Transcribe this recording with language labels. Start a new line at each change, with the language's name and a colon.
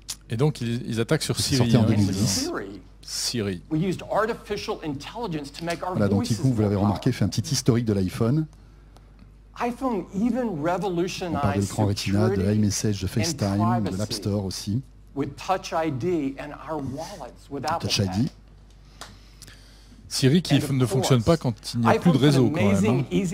French: Et donc ils attaquent sur Siri. Sorti en 2010. Siri. Voilà, donc du coup, vous l'avez remarqué, fait un petit historique de l'iPhone.
English: iPhone even revolutionized
French: on parle de l'écran Retina, de iMessage, de FaceTime, de l'App Store aussi.
English: With Touch ID and our wallets with Apple Touch ID.
French: Siri qui ne fonctionne pas quand il n'y a plus de réseau quand même.